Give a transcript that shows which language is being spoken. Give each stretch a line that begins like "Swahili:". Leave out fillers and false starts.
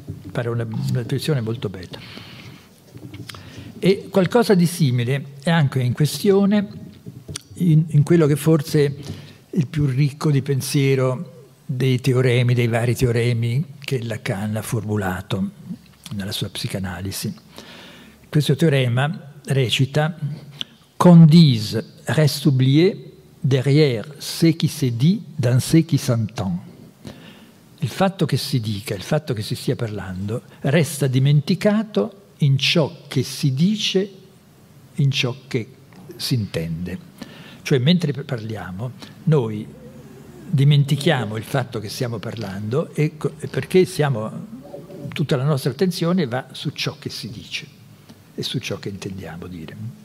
Italian: Pare una definizione molto bella. E qualcosa di simile è anche in questione in quello che forse è il più ricco di pensiero dei teoremi, dei vari teoremi che Lacan ha formulato nella sua psicanalisi. Questo teorema recita:
French: qu'on dise reste oublié derrière ce qui se dit dans ce qui s'entend.
Italian: Il fatto che si dica, il fatto che si stia parlando, resta dimenticato in ciò che si dice, in ciò che si intende. Cioè, mentre parliamo, noi dimentichiamo il fatto che stiamo parlando, e perché tutta la nostra attenzione va su ciò che si dice e su ciò che intendiamo dire.